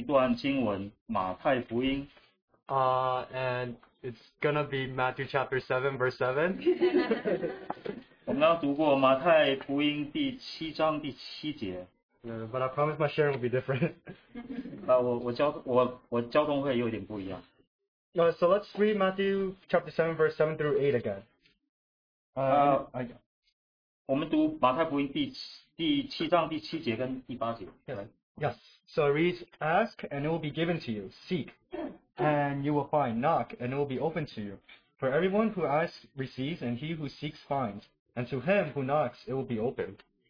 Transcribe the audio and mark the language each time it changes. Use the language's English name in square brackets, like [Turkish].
[Chinese] 我的交通要开始读一段经文，马太福音。 [English] And it's going to be Matthew chapter 7, verse 7. [Chinese] 我们要读过马太福音第七章第七节。 [English] But I promise my sharing will be different. [Chinese] 我交通会有点不一样。 [English] So let's read Matthew chapter 7, verse 7 through 8 again. [Chinese] 我们读马太福音第七章第七节跟第八节。 [English] Yes. So it reads, Ask, and it will be given to you. Seek, and you will find. Knock, and it will be opened to you. For everyone who asks receives, and he who seeks finds. And to him who knocks, it will be opened.